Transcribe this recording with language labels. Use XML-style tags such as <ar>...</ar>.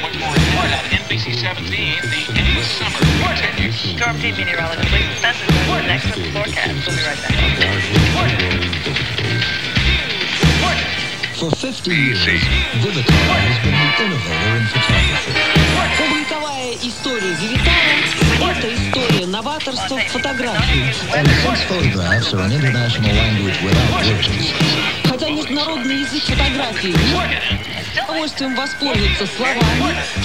<en>Much more on NBC 17, the end summer continues. Storm Team Meteorologist Lisa Spencer with an excellent forecast. We'll be right back. For 50 years, Vivitar has been an innovator in photography.</en> <ru>Вековая история Vivitar это история новаторства в фотографии.</ru> <en>And since photographs are an international language without borders,</en> <ru>хотя международный язык фотографии с удовольствием воспользуется словами.</ru>